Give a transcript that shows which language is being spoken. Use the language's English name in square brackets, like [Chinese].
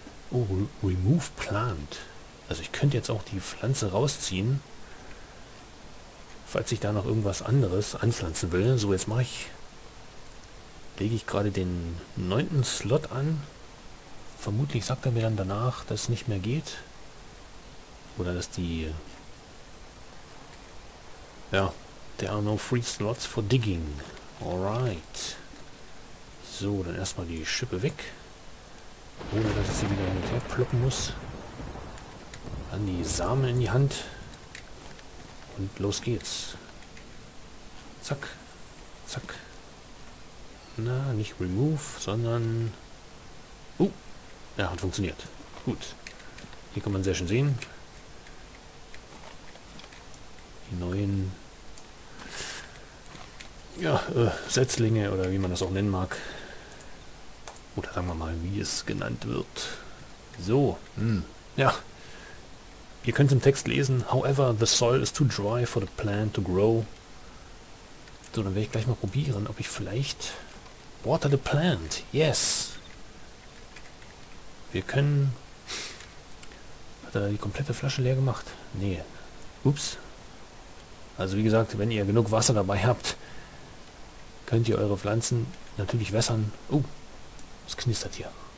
[English] Oh, remove plant. [German] Also ich könnte jetzt auch die Pflanze rausziehen, falls ich da noch irgendwas anderes anpflanzen will. So, jetzt mache ich... lege ich gerade den 9. Slot an. Vermutlich sagt er mir dann danach, dass es nicht mehr geht. Oder dass die [English] Ja, there are no free slots for digging. Alright. [German] So, dann erstmal die Schippe weg. Ohne dass ich sie wieder hin und her ploppen muss. Dann die Samen in die Hand. Und los geht's. Zack. Zack. Na, nicht remove, sondern... Ja, hat funktioniert. Gut. Hier kann man sehr schön sehen. Die neuen... Ja, Setzlinge oder wie man das auch nennen mag. Oder sagen wir mal, wie es genannt wird. So. Ja. Ihr könnt im Text lesen. [English] However, the soil is too dry for the plant to grow. [German] So, dann werde ich gleich mal probieren, ob ich vielleicht... [English] Water the plant. Yes. [German] Wir können... Hat er die komplette Flasche leer gemacht? Nee. Ups. Also wie gesagt, wenn ihr genug Wasser dabei habt, könnt ihr eure Pflanzen natürlich wässern. Es knistert hier.